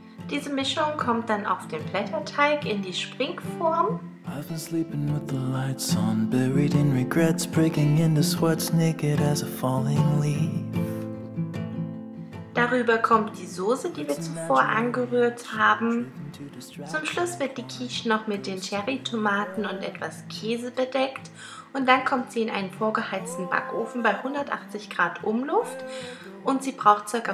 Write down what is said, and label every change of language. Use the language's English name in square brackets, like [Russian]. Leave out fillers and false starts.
[German] Diese Mischung kommt dann auf den Blätterteig in die Springform. [English] I've been sleeping with the lights on, buried in regrets, breaking into sweats, naked as a falling leaf. [German] Darüber kommt die Soße, die wir zuvor angerührt haben. Zum Schluss wird die Quiche noch mit den Cherry-Tomaten und etwas Käse bedeckt. Und dann kommt sie in einen vorgeheizten Backofen bei 180 Grad Umluft. Und sie braucht ca.